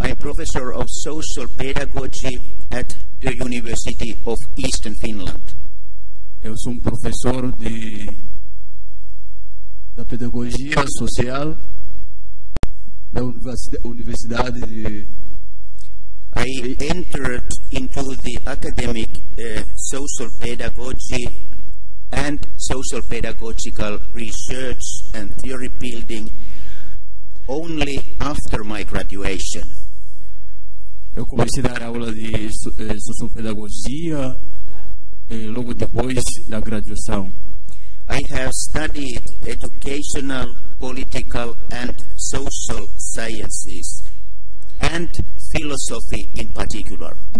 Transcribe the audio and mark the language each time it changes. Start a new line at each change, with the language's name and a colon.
English: I'm professor of social pedagogy at the University of Eastern Finland.
Portuguese: Eu sou professor de da pedagogia social da universidade de
English: I entered into the academic social pedagogy and social pedagogical research and theory building only after my graduation.
Portuguese: Eu comecei a dar aula de sociopedagogia logo depois da graduação.
English: I have studied educational, political and social sciences and philosophy in particular.